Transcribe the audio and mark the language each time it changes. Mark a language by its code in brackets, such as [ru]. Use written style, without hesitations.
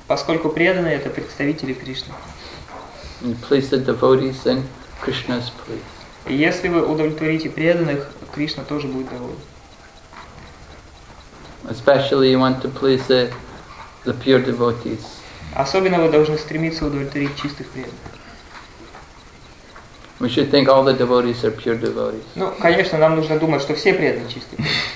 [ru] Поскольку преданные это представители Кришны. [en] Please the devotees, then Krishna is pleased. [ru] Если вы удовлетворите преданных, Кришна тоже будет доволен. [en] Especially you want to please the pure devotees. [ru] Особенно вы должны стремиться удовлетворить чистых преданных. [en] We should think all the devotees are pure devotees. [ru] Ну, конечно, нам нужно думать, что все преданные чистые.